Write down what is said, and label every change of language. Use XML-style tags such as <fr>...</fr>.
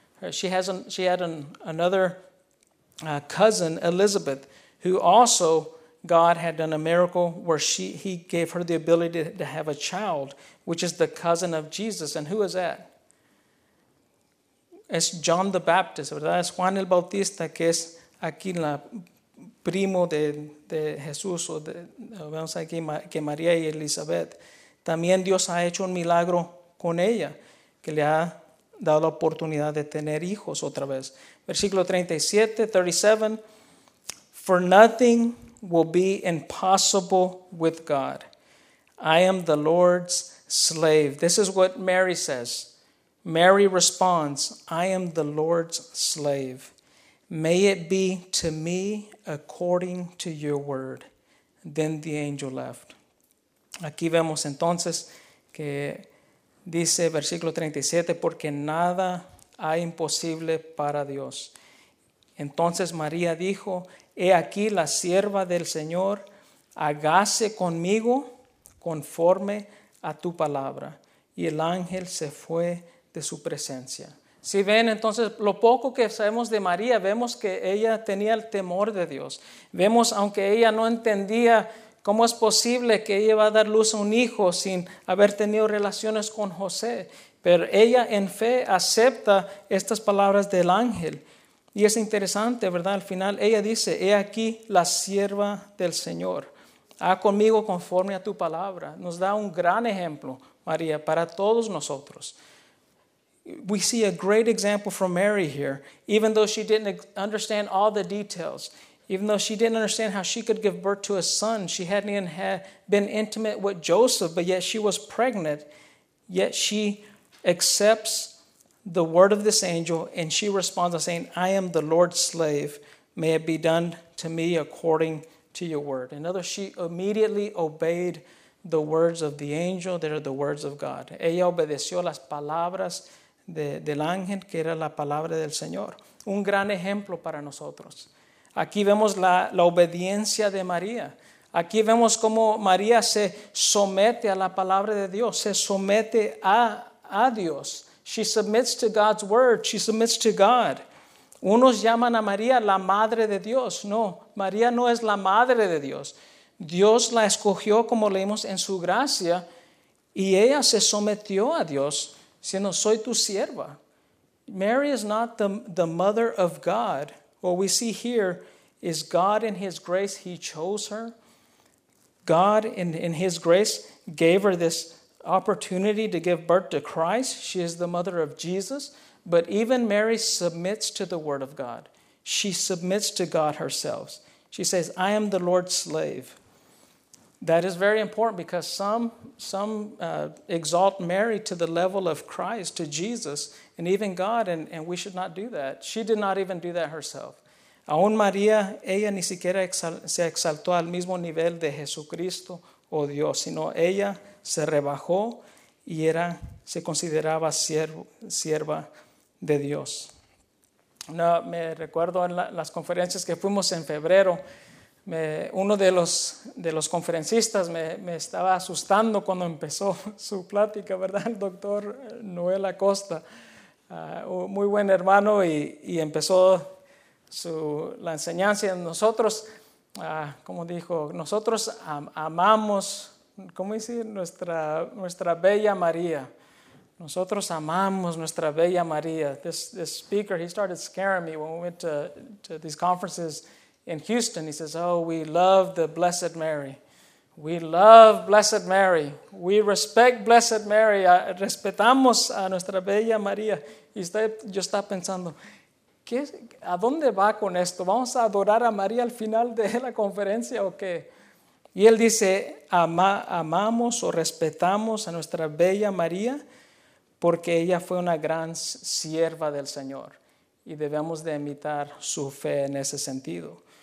<en>She had another cousin, Elizabeth, who also God had done a miracle where he gave her the ability to have a child, which is the cousin of Jesus. And who is that?</en> <es>Es John the Baptist, ¿verdad? Es Juan el Bautista, que es aquí la primo de Jesús, o vemos aquí que María y Elizabeth. También Dios ha hecho un milagro con ella, que le ha dado la oportunidad de tener hijos otra vez. Versículo 37, 37,</es> <en>for nothing will be impossible with God. I am the Lord's slave. This is what Mary says. Mary responds, I am the Lord's slave. May it be to me according to your word. Then the angel left.</en> <es>Aquí vemos entonces que dice versículo 37, porque nada hay imposible para Dios. Entonces María dijo, he aquí la sierva del Señor, hágase conmigo conforme a tu palabra. Y el ángel se fue de su presencia. Si ven, entonces lo poco que sabemos de María, vemos que ella tenía el temor de Dios. Vemos, aunque ella no entendía cómo es posible que ella iba a dar luz a un hijo sin haber tenido relaciones con José, pero ella en fe acepta estas palabras del ángel. Y es interesante, ¿verdad? Al final ella dice, he aquí la sierva del Señor, haz conmigo conforme a tu palabra. Nos da un gran ejemplo, María, para todos nosotros.</es> <en>We see a great example from Mary here, even though she didn't understand all the details, even though she didn't understand how she could give birth to a son, she hadn't even been intimate with Joseph, but yet she was pregnant, yet she accepts the word of this angel, and she responds by saying, I am the Lord's slave, may it be done to me according to your word. In other words, she immediately obeyed the words of the angel, that are the words of God.</en> <es>Ella obedeció las palabras del ángel, que era la palabra del Señor. Un gran ejemplo para nosotros. Aquí vemos la obediencia de María. Aquí vemos cómo María se somete a la palabra de Dios, se somete a Dios.</es> <en>She submits to God's word, she submits to God.</en> <es>Unos llaman a María la madre de Dios. No, María no es la madre de Dios. Dios la escogió, como leímos, en su gracia, y ella se sometió a Dios, diciendo, soy tu sierva.</es> <en>Mary is not the mother of God. What we see here is God in his grace, he chose her. God in his grace gave her this opportunity to give birth to Christ. She is the mother of Jesus. But even Mary submits to the word of God. She submits to God herself. She says, I am the Lord's slave. That is very important because some exalt Mary to the level of Christ, to Jesus, and even God, and we should not do that. She did not even do that herself.</en> <es>Aún María, ella ni siquiera se exaltó al mismo nivel de Jesucristo o Dios, sino ella se rebajó y se consideraba sierva de Dios. No, me recuerdo en las conferencias que fuimos en febrero, uno de los conferencistas me estaba asustando cuando empezó su plática, ¿verdad? El doctor Noel Acosta, muy buen hermano, y empezó la enseñanza. Nosotros, como dijo, nosotros amamos, ¿cómo decir? Nuestra bella María. Nosotros amamos nuestra bella María.</es> <en>This speaker, he started scaring me when we went to these conferences in Houston. He says, oh, we love the Blessed Mary. We love Blessed Mary. We respect Blessed Mary.</en> <es>Respetamos a nuestra bella María. Y yo estaba pensando, ¿a dónde va con esto? ¿Vamos a adorar a María al final de la conferencia o qué? Y él dice, amamos o respetamos a nuestra bella María porque ella fue una gran sierva del Señor y debemos de imitar su fe en ese sentido.</es>